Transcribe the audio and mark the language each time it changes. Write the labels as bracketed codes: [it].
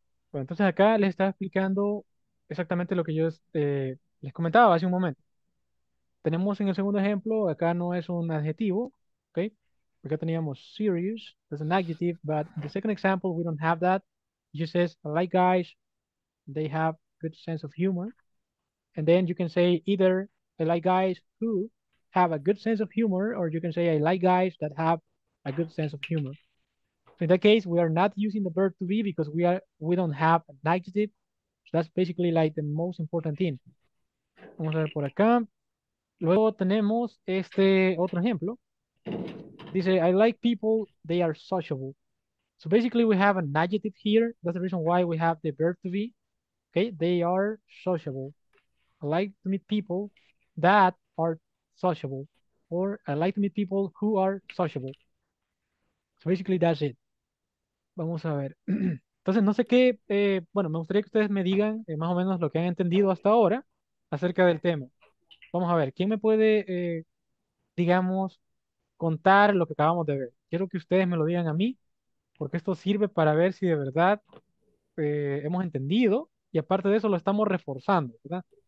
[es] Bueno, entonces acá les estaba explicando exactamente lo que yo les comentaba hace un momento. Tenemos en el segundo ejemplo, acá no es un adjetivo, ¿ok? Porque teníamos [en] serious, that's an adjective, but in the second example, we don't have that. It just says, I like guys, they have good sense of humor. And then you can say either, I like guys who have a good sense of humor, or you can say, I like guys that have a good sense of humor. So in that case, we are not using the verb to be because we don't have an adjective. So that's basically like the most important thing. [es] Vamos a ver por acá. Luego tenemos este otro ejemplo. Dice, [en] I like people, they are sociable. So basically we have an adjective here. That's the reason why we have the verb to be. Okay, they are sociable. I like to meet people that are sociable. Or I like to meet people who are sociable. So basically that's it. [es] Vamos a ver. Entonces no sé qué, bueno, me gustaría que ustedes me digan más o menos lo que han entendido hasta ahora acerca del tema. Vamos a ver, ¿quién me puede, digamos, contar lo que acabamos de ver? Quiero que ustedes me lo digan a mí, porque esto sirve para ver si de verdad hemos entendido, y aparte de eso lo estamos reforzando, ¿verdad?